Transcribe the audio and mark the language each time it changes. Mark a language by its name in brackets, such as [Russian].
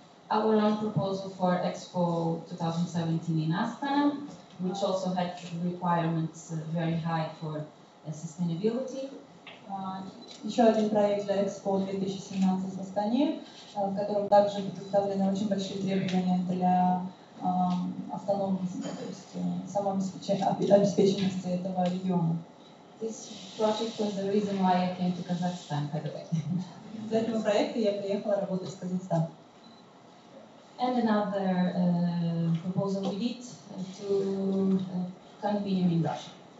[English] Our own proposal for Expo 2017 in Astana, which also had requirements very high for sustainability. [Russian] Еще один проект для Expo 2017 в Астане, в котором также представлены очень большие требования для автономности, то есть самообеспеченности этого региона. [English] This project was the reason why I came to Kazakhstan, by the way. [Russian] Из этого проекта я приехала работать в Казахстан. [English] And another proposal we did to condominium in Russia.